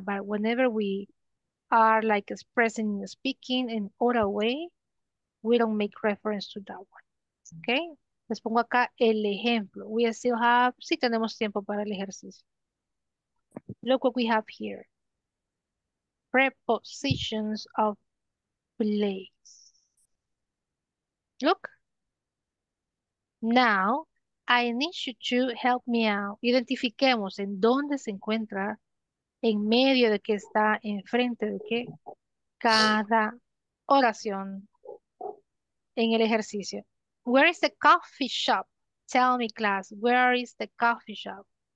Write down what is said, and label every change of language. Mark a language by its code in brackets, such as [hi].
[en] But whenever we are like expressing speaking in oral way, we don't make reference to that one. [es] Ok. Les pongo acá el ejemplo. [en] We still have, [es] sí tenemos tiempo para el ejercicio. [en] Look what we have here. Prepositions of place. Look. Now, I need you to help me out. [es] Identifiquemos en dónde se encuentra, en medio de qué está, enfrente de qué, cada oración en el ejercicio. [en] Where is the coffee shop? Tell me, class. Where is the coffee shop?